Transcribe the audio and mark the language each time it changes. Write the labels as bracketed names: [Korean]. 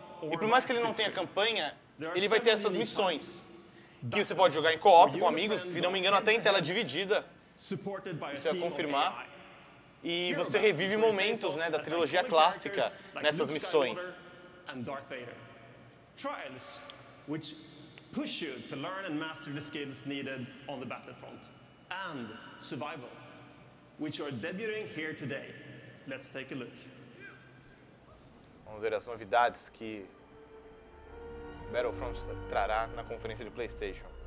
[Portuguese] E por mais que ele não tenha campanha, ele vai ter essas missões. Que você pode jogar em co-op com amigos, se não me engano, até em tela dividida. Isso é confirmar. E você revive momentos, né, da trilogia clássica nessas missões. [English] Trials, which push you to learn and master the skills needed on the battlefront, and survival, which are debuting here today. Let's take a look. [Portuguese] Vamos ver as novidades que Battlefront trará na conferência de PlayStation.